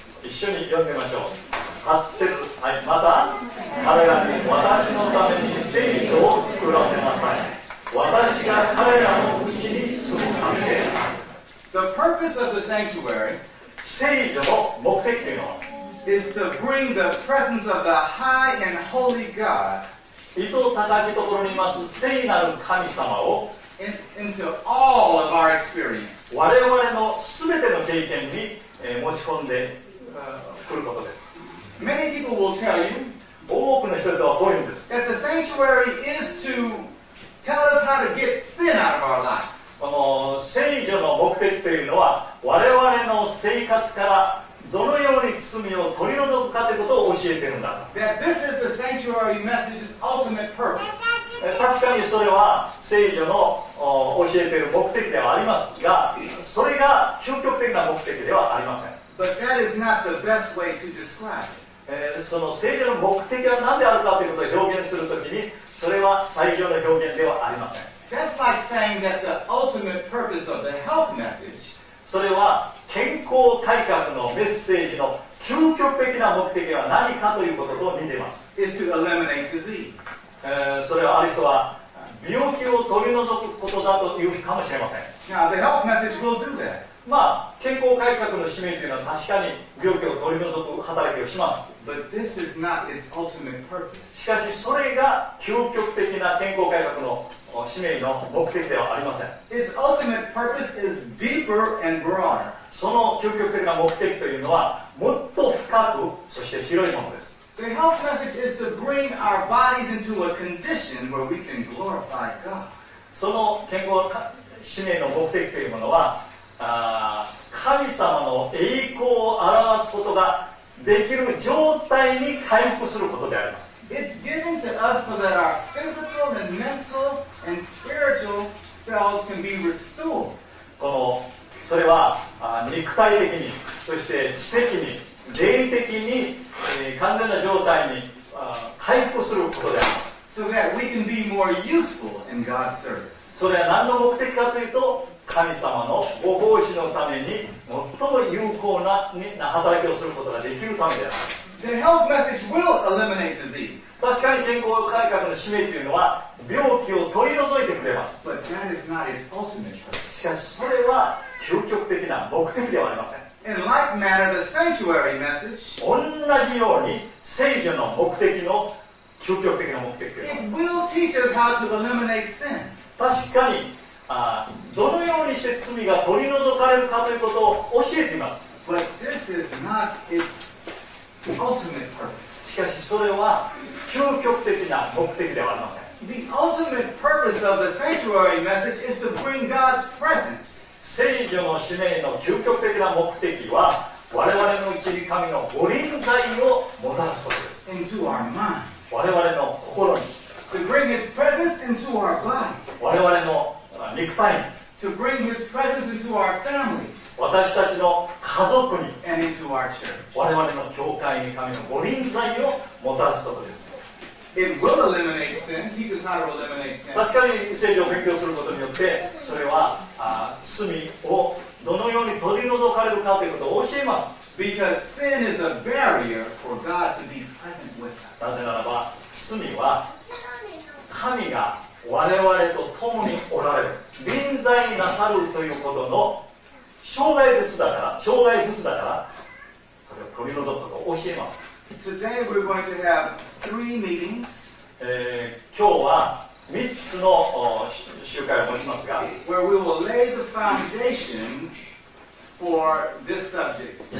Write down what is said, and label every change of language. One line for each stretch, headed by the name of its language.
Japanese: 一緒に読んでみましょう。8節、はい、また彼らに私のために聖所を作らせなさい。私が彼らのうちに住むためである。
English: The purpose of the sanctuary
Japanese: 聖所の目的というのは
English: is to bring the presence of the high and holy God
Japanese: 糸高きところにいます聖なる神様を
English: into all of our experience
Japanese: 我々のすべての経験に持ち込んでくることです。
English: Many people will tell you,
Japanese: 多くの人々はこう言うんです。
English: That the sanctuary is to tell us how to get sin out of our life.
Japanese: 聖所の目的というのは、我々の生活からどのように罪を取り除くかということを教えているんだ。
English: That this is the sanctuary message's ultimate purpose.
Japanese: 確かにそれは聖所の教えている目的ではありますが、それが究極的な目的ではありません。
English: But that is not the best way to describe it.
Japanese: その聖所の目的は何であるかということを表現するときに、それは最上の表現ではありません。
English: That's like saying that the ultimate purpose of the health message.
Japanese: それは健康改革のメッセージの究極的な目的は何かということと似ています。
English: Is to eliminate disease.
Japanese: それはある人は病気を取り除くことだというかもしれません。
English: Now the health message will do that.
Japanese: まあ、健康改革の使命というのは確かに病気を取り除く働きをします。
English: But this is not its ultimate purpose.
Japanese: しかしそれが究極的な健康改革の使命の目的ではありません。
English: Its ultimate purpose is deeper and broader.
Japanese: その究極的な目的というのはもっと深くそして広いものです。
English: The health message is to bring our bodies into a condition where we can glorify God.
Japanese: その健康使命の目的というものは神様の栄光を表すことができる状態に回復することであります。
English: It's given to us so that our physical and mental and spiritual cells can be restored.
Japanese: このそれは肉体的にそして知的に霊的に完全な状態に回復することであります。
English: So that we can be more useful in God's service.
Japanese: それは何の目的かというと神様のご奉仕のために最も有効な働きをすることができるためである。
English: The health message will eliminate disease.
Japanese: 確かに健康改革の使命というのは病気を取り除いてくれます。
English: But that is not its ultimate purpose.
Japanese: しかしそれは究極的な目的ではありません。
English: In like manner, the sanctuary message,
Japanese: 同じように聖所の目的の究極的な目的です。
English: It will teach us how to eliminate sin.
Japanese: 確かにどのようにして罪が取り除かれるかということを教えています。
English: But this is not its ultimate purpose.
Japanese: しかしそれは究極的な目的ではありません。
English: The ultimate purpose of the sanctuary message is to bring God's presence.
Japanese: 聖所の使命の究極的な目的は我々のうちに神の御臨在をもたらすことです。
English: Into our mind.
Japanese: 我々の心に。
English: To bring His presence into our body.
Japanese: 我々の肉体に。
English: To bring His presence into our families.
Japanese: 私たちの家族に。
English: And into our church.
Japanese: 我々の教会に神の御臨在をもたらすことです。
English: It will eliminate sin. Teach us how to eliminate sin.
Japanese: 確かに聖書を勉強することによって、それは罪をどのように取り除かれるかということを教えます。
English: Because sin is a barrier for God to be present with us.
Japanese: なぜならば、罪は神が我々と共におられる臨在なさるということの障害物だから、障害物だから、それを取り除くことを教えます。
English: Today we're going to have three meetings.
Japanese: 今日は三つの集会を申しますが、
English: where we will lay the foundation for this subject.